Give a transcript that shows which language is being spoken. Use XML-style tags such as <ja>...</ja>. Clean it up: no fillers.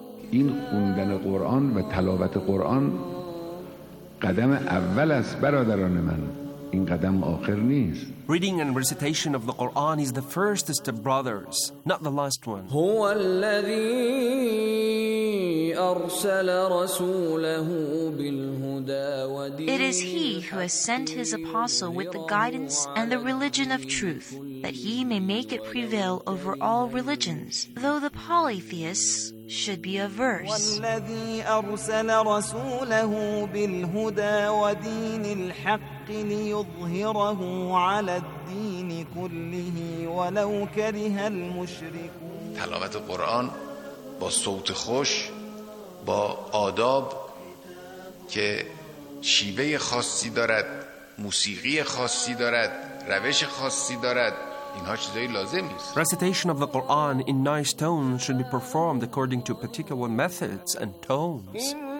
<fa>این خوندن قرآن و تلاوت قرآن قدم اول است برادران من این قدم آخر نیست.</fa> <en>Reading and recitation of the Quran is the first step, brothers, not the last one.</en> <ar>هو الذي ارسل رسوله بالهدى ودين.</ar> <en>It is he who has sent his apostle with the guidance and the religion of truth, that he may make it prevail over all religions, though the polytheists should be averse.</en> <ar>والذي ارسل رسوله بالهدى ودين الحق ليظهره على الدين كله ولو كره المشركون.</ar> <fa>تلاوت قرآن با صوت خوش با آداب که شیوه خاصی دارد، موسیقی خاصی دارد، روش خاصی دارد، اینها چیزای لازمی است.</fa> <en>Recitation of the Quran in nice tones should be performed according to particular methods and tones.</en>